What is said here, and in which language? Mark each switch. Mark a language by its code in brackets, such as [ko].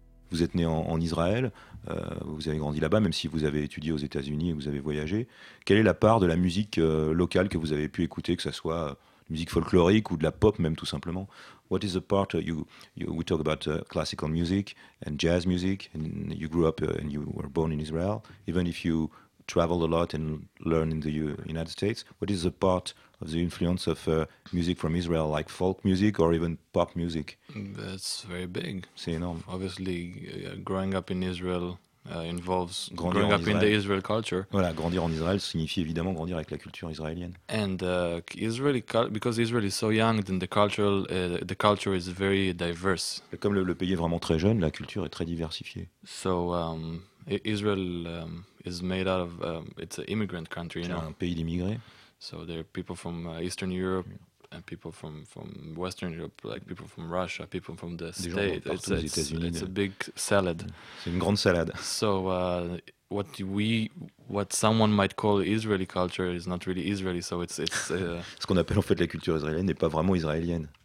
[fr] Vous êtes né en Israël, vous avez grandi là-bas, même si vous avez étudié aux États-Unis et vous avez voyagé. Quelle est la part de la musique locale que vous avez pu écouter, que ce soit musique folklorique ou de la pop même tout simplement? [en] What is the part we talk about classical music and jazz music, and you grew up and you were born in Israel, even if you traveled a lot and learned in the United States, what is the part of the influence of music from Israel, like folk music or even pop music? That's very big. [fr] C'est énorme. [en] Obviously, growing up in Israel involves grandir growing up Israel. In the Israel culture. [fr] Voilà, grandir en Israël signifie évidemment grandir avec la culture israélienne. [en] And because Israel is so young, then the culture is very diverse. [fr] Et comme le pays est vraiment très jeune, la culture est très diversifiée. [en] So Israel is made out of it's an immigrant country, you know. [fr] C'est un pays d'immigrés. [en] So there are people from Eastern Europe and people from Western Europe, like people from Russia, people from the States. It's a big salad. [fr] C'est une grande salade. [en] So what someone might call Israeli culture is not really Israeli. So it's [fr] ce qu'on appelle en fait la culture israélienne n'est pas vraiment israélienne.